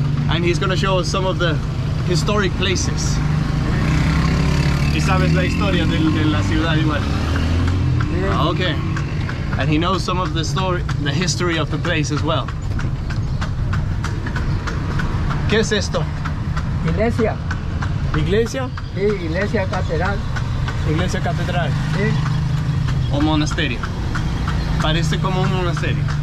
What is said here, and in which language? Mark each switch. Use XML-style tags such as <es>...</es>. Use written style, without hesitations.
<en>And he's gonna show us some of the historic places.</en> <es>Sí. Y sabes la historia de la ciudad igual. Sí.</es> <en>Okay. And he knows some of the story, the history of the place as well.</en> <es>¿Qué es esto? Iglesia. ¿Iglesia? Sí, iglesia catedral. ¿Iglesia catedral? Sí. ¿O monasterio? Parece como un monasterio.</es>